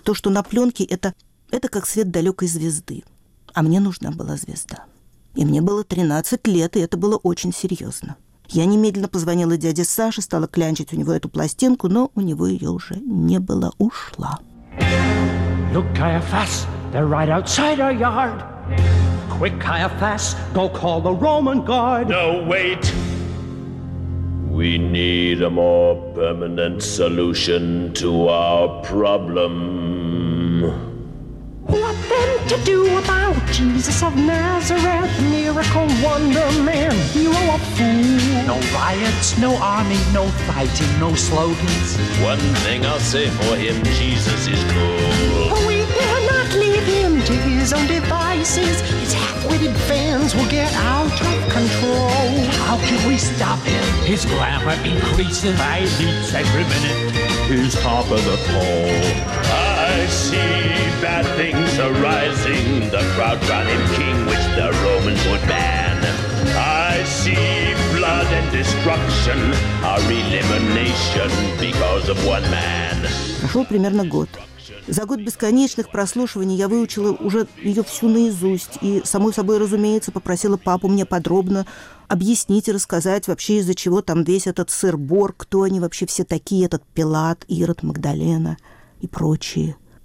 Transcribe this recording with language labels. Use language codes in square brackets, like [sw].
[ru] То, что на пленке, это как свет далекой звезды. А мне нужна была звезда. И мне было 13 лет, и это было очень серьезно. Я немедленно позвонила дяде Саше, стала клянчить у него эту пластинку, но у него ее уже не было, ушла. [en] Look, Caiaphas, they're right outside our yard. Quick, Caiaphas, go call the Roman guard. No, wait. We need a more permanent solution to our problem. What then to do about Jesus of Nazareth, miracle wonder man, hero of fools? No riots, no army, no fighting, no slogans. One thing I'll say for him, Jesus is cool. We dare not leave him to his own devices. His half-witted fans will get out of control. How can we stop him? His glamour increases by leaps every minute. He's top of the poll. I see bad things arising. The crowd crowned him king, which the Romans would ban. I see blood and destruction. Our elimination because of one man. [ru] Прошел примерно год. За год бесконечных прослушиваний я выучила уже ее всю наизусть и, само собой разумеется, попросила папу мне подробно объяснить и рассказать вообще, из-за чего там весь этот сыр-бор, кто они вообще все такие, этот Пилат, Ирод, Магдалена и прочие.